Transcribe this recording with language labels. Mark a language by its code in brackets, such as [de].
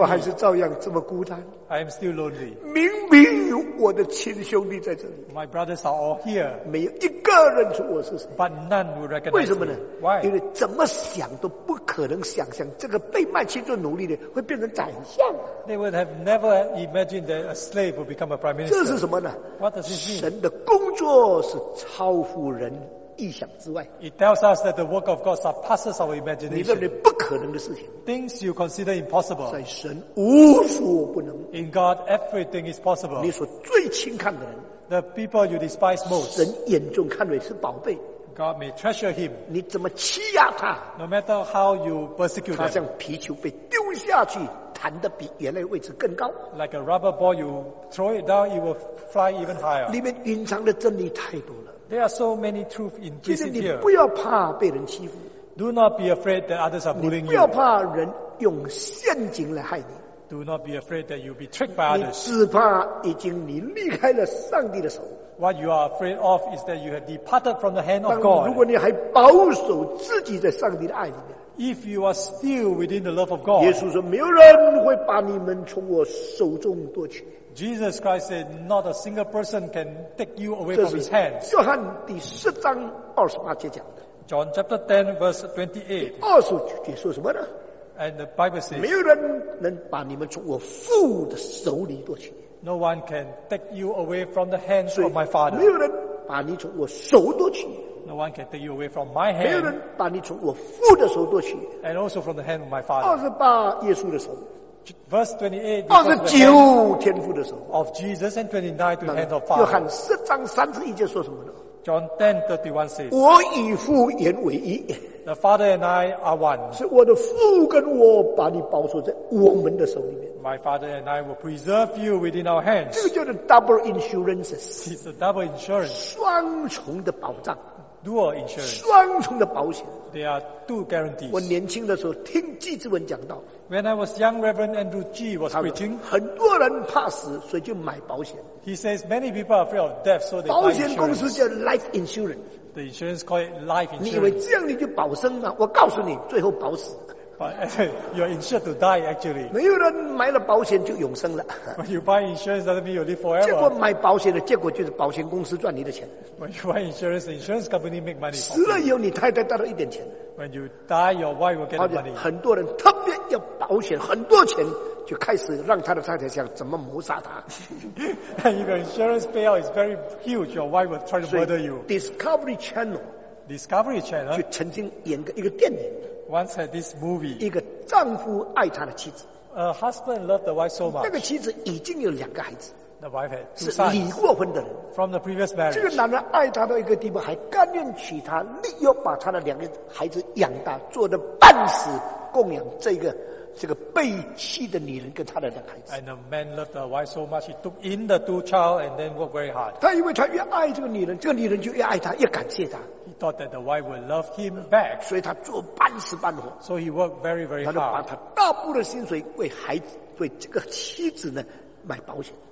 [zh] 我还是照样这么孤单。 [en] I am still lonely. [zh] 明明有我的亲兄弟在这里。 [en] My brothers are all here. [zh] 没有一个认出我是谁。 [en] But none would recognize me. [zh] 为什么呢？ [en] Why? [zh] 因为怎么想都不可能想象这个被卖去做奴隶的会变成宰相。 [en] They would have never imagined that a slave would become a prime minister. [zh] 这是什么呢？ [en] What does it mean? [zh] 神的工作是超乎人意想之外。 [en] It tells us that the work of God surpasses our imagination. [zh] 你认为不可能的事情。 [en] Things you consider impossible. [zh] 在神无所不能。 [en] In God, everything is possible. [zh] 你所最轻看的人。 [en] The people you despise most. [zh] 神眼中看为是宝贝。 [en] God may treasure him. [zh] 你怎么欺压他？ [en] No matter how you persecute him. [zh] 他像皮球被丢下去，弹得比原来位置更高。 [en] Like a rubber ball, you throw it down, it will fly even higher. [zh] 里面隐藏的真理太多了。 [en] There are so many truths in this here. [zh] 其实你不要怕被人欺负。 [en] Do not be afraid that others are bullying you. [zh] 你不要怕人用陷阱来害你。 [en] Do not be afraid that you'll be tricked by others. [zh] 你只怕已经你离开了上帝的手。 [en] What you are afraid of is that you have departed from the hand of God. [zh] 如果你还保守自己在上帝的爱里面。 [en] If you are still within the love of God. [zh] 耶稣说没有人会把你们从我手中夺去。 [en] Jesus Christ said, not a single person can take you away from his hands. [zh] 这是约翰第十章二十八节讲的。 [en] John chapter 10 verse 28. [zh] 二十九节说什么呢？ [en] And the Bible says, [zh] 没有人能把你们从我父的手里夺去。 [en] No one can take you away from the hands of my father. [zh] 没有人把你从我手夺去。 [en] No one can take you away from my hand. [zh] 没有人把你从我父的手夺去。 [en] And also from the hand of my father. [zh] 二十八，耶稣的手。 [en] Verse 28. [zh] 二十九，天父的手。 [en] Of Jesus and 29 to the hand of father. [zh] 约翰十章三十一节说什么呢？ [en] John 10:31 says, [zh] 我与父原为一。 [en] The Father and I are one. [zh] 是我的父跟我把你保守在我们的手里面。 [en] My Father and I will preserve you within our hands. [zh] 这个叫做 double insurance. [en] It's a double insurance. [zh] 双重的保障。 [en] Dual insurance. [zh] 双重的保险。 [en] There are two guarantees. [zh] 我年轻的时候听纪志文讲到。 [en] When I was young, Reverend Andrew G was preaching. [zh] 很多人怕死，所以就买保险。 [en] He says many people are afraid of death, so they buy insurance. [zh] 保险公司叫 life insurance. [en] The insurance called life insurance. [zh] 你以为这样你就保生了？我告诉你，最后保死。 [en] But you're insured to die, actually. [zh] 没有人买了保险就永生了。 [en] When you buy insurance, doesn't mean you live forever. [zh] 结果买保险的结果就是保险公司赚你的钱。 [en] When you buy insurance, the insurance company make money. [zh] 死了以后，你太太得到一点钱。 [en] When you die, your wife will get the money. [zh] 很多人特别要保险，很多钱。就开始让他的太太想怎么谋杀他。 [en] Your insurance payout is very huge. Your wife will try to murder you. Discovery Channel. Discovery Channel. [zh] 就曾经演过一个电影。 [en] Once had this movie. [zh] 一个丈夫爱他的妻子。 [en] A husband loved the wife so much. [zh] 那个妻子已经有两个孩子。 [en] The wife had two sons. [zh] 是离过婚的人。 [en] From the previous marriage. [zh] 这个男人爱他到一个地步，还甘愿娶她，力要把他的两个孩子养大，做的半死，供养这个。这个被弃的女人跟她的两个孩子。 [en] And the man loved the wife so much, he took in the two child and then worked very hard. [zh] 他以为他越爱这个女人，这个女人就越爱他，越感谢他。 [en] He thought that the wife would love him back. [zh] 所以他做半死半活。 [en] So he worked very, very hard. [zh] 他就把他大部的薪水为孩子，为这个妻子呢买保险。